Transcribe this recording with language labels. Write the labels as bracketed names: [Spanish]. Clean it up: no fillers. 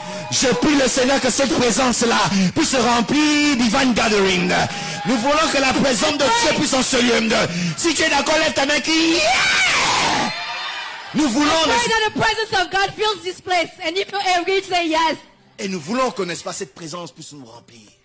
[French] Je prie le Seigneur que cette présence-là puisse remplir Divine Gathering. Nous voulons que la présence de Dieu puisse en ce lieu. Si tu es d'accord, lève ta main qui... Yeah! Nous voulons... [English] I pray that the presence of God fills this place. And if you agree, say yes. [French] Et nous voulons que, n'est-ce pas, cette présence puisse nous remplir.